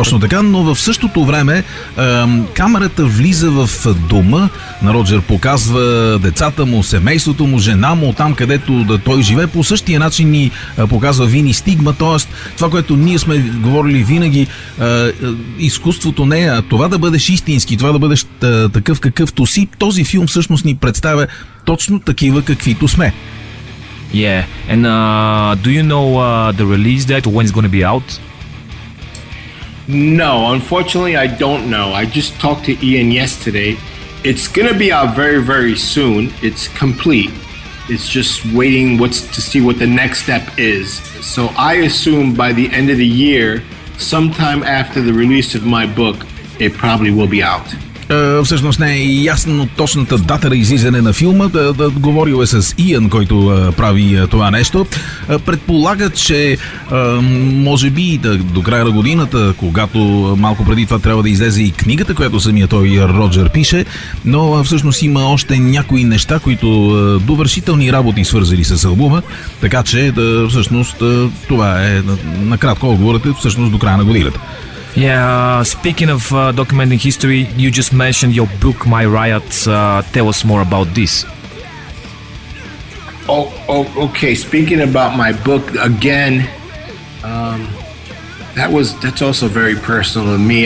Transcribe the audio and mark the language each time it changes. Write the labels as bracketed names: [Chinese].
[Bulgarian] Точно така, но в същото време камерата влиза в дома на Роджер, показва децата му, семейството му, жена му, там където да той живее. По същия начин ни показва Вини Стигма, т.е. това, което ние сме говорили винаги, изкуството не е, а това да бъдеш истински, това да бъдеш такъв какъвто си. Този филм всъщност ни представя точно такива, каквито сме. [English] Yeah, and do you know the release date, when it's going to be out? No, unfortunately, I don't know. I just talked to Ian yesterday. It's going to be out very, very soon. It's complete. It's just waiting to see what the next step is. So I assume by the end of the year, sometime after the release of my book, it probably will be out. [Bulgarian] Всъщност не е ясно точната дата на излизане на филма. Говорил е с Иан, който прави това нещо. Предполага, че може би до края на годината, когато малко преди това трябва да излезе и книгата, която самия той Роджер пише, но всъщност има още някои неща, които довършителни работи свързали с албума, така че всъщност това е накратко отговорът, всъщност до края на годината. [English] Yeah, speaking of documenting history, you just mentioned your book, My Riot. Tell us more about this. Okay, speaking about my book, again, that's also very personal to me.